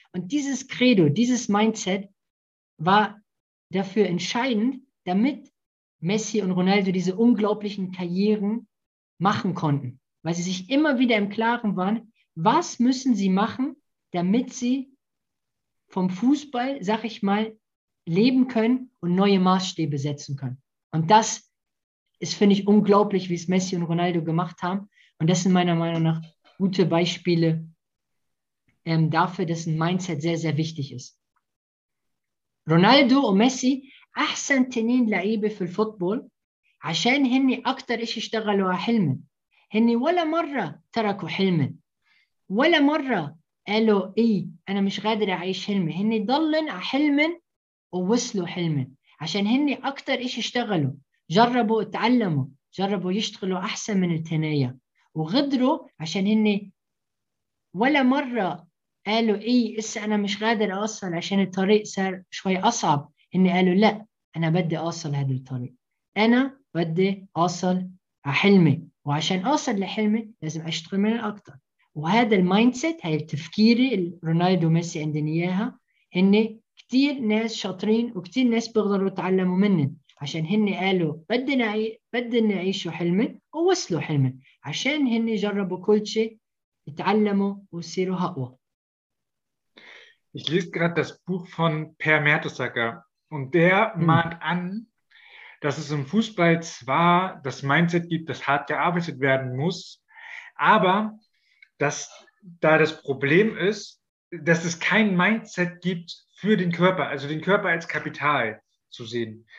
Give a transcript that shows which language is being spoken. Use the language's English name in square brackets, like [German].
[German] Und dieses Credo, dieses Mindset war dafür entscheidend, damit Messi und Ronaldo diese unglaublichen Karrieren machen konnten, weil sie sich immer wieder im Klaren waren, was müssen sie machen, damit sie vom Fußball, sag ich mal, leben können und neue Maßstäbe setzen können. Und das ist, finde ich, unglaublich, wie es Messi und Ronaldo gemacht haben. Und das sind meiner Meinung nach gute Beispiele dafür, dass ein Mindset sehr, sehr wichtig ist. [Arabic] Ronaldo und Messi, أحسن تنين لعيبة في الفوتبول عشان هني أكتر إشي اشتغلوا على حلم هني ولا مرة تركوا حلم ولا مرة قالوا إي أنا مش قادر أعيش حلم هني ضلن على حلم ووصلوا حلم عشان هني أكتر إشي اشتغلوا جربوا اتعلموا جربوا يشتغلوا أحسن من التنايا وغدروا عشان هني ولا مرة قالوا إي إسا أنا مش قادر أوصل عشان الطريق صار شوي أصعب إني قالوا لا أنا بدي أوصل هذا الطريق أنا بدي أوصل لحلمي وعشان أوصل لحلمي لازم أشتغل من الأكثر وهذا المايندسيت هاي التفكير رونالدو ميسي عندنا إياها إني كتير ناس شاطرين وكتير ناس بيقدروا يتعلموا منن عشان هني قالوا بدنا نعيشوا حلمي ووصلوا حلمي عشان هني جربوا كل شيء يتعلموا ويصيروا أقوى. [German] Ich lese gerade das Buch von Per Mertesacker. Und der mahnt an, dass es im Fußball zwar das Mindset gibt, dass hart gearbeitet werden muss, aber dass da das Problem ist, dass es kein Mindset gibt für den Körper, also den Körper als Kapital zu sehen.